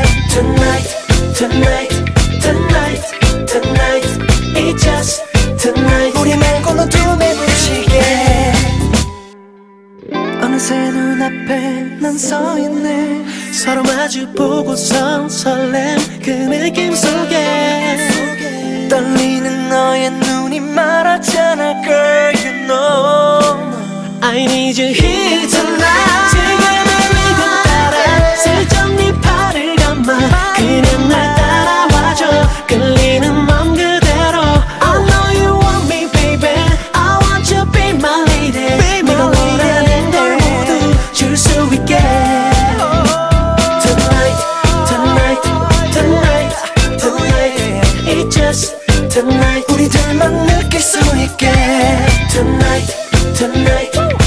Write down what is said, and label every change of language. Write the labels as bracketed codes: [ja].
[en] Tonight, tonight, tonight, tonight. It's just tonight. [ko] 우리 말고 너 두매 부시게. 어느새 눈앞에 난 서 있네. 서로 마주 보고선 설렘 그 느낌 속에. 떨리는 너의 눈이 말하잖아, [en] girl, you know. I need you here tonight. [ko] 지금의 리듬 따라 슬쩍 네 팔을 감아. 그냥 날 따라와줘. 끌리는 맘 그대로. [en] I know you want me, baby. I want you be my lady. [ko] 네가 원하는 걸 모두 줄 수 있게. [en] Tonight, tonight, tonight, tonight. It's just tonight. [ko] 우리 둘만 느낄 수 있게. [en] Tonight, tonight.